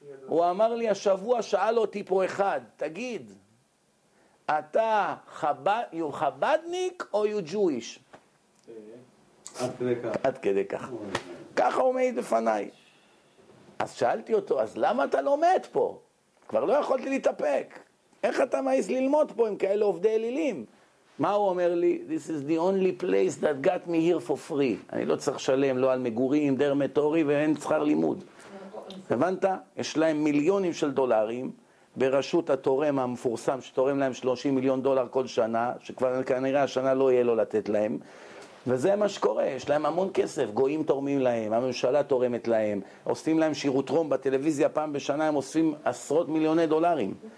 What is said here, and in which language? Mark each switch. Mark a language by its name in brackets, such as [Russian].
[Hebrew] הוא אמר לי, השבוע שאל אותי פה אחד, תגיד, אתה חבדניק או [English] you Jewish? [Hebrew] עד כדי כך. ככה הוא מעיד לפניי. אז שאלתי אותו, אז למה אתה לומד פה? כבר לא יכולתי להתאפק. איך אתה מעיז ללמוד פה עם כאלה עובדי אלילים? מה הוא אומר לי? [English] This is the only place that got me here for free. [Hebrew] אני לא צריך שלם, לא על מגורים, דרמטורי, ואין שכר לימוד. הבנת? יש להם מיליונים של דולרים ברשות התורם המפורסם שתורם להם 30 מיליון דולר כל שנה, שכבר כנראה השנה לא יהיה לו לתת להם. וזה מה שקורה, יש להם המון כסף, גויים תורמים להם, הממשלה תורמת להם, עושים להם שירות רום בטלוויזיה פעם בשנה, הם עושים עשרות מיליוני דולרים.